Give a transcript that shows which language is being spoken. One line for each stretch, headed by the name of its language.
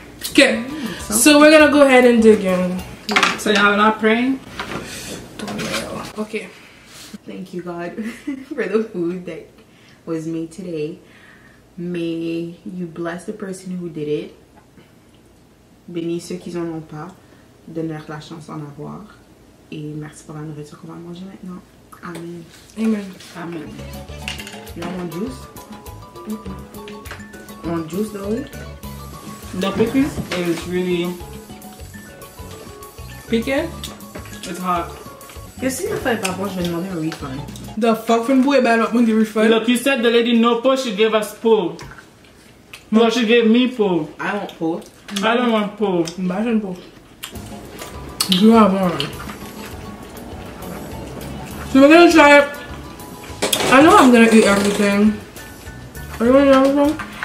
English: Okay, so we're gonna go ahead and dig in. So y'all not praying? Okay. Thank you, God, for the food that was made today. May you bless the person who did it.
French: Bénis ceux qui en ont pas. Donne-leur la chance d'en avoir. Et merci pour la nourriture qu'on va manger maintenant.
English: Amen. Amen. Amen. You want juice? Want juice though? The pickles is really pickled. It's hot.
French: Qu'est-ce qu'il a fait par rapport? Je vais demander un refund.
English: The fuck from boy, but I want the refund. Look, you said the lady no po. She gave us po. No, but she gave me po. I want po. I don't want po. Imagine po. You have one. So we're gonna try it. I know I'm gonna eat everything. Are you gonna eat everything?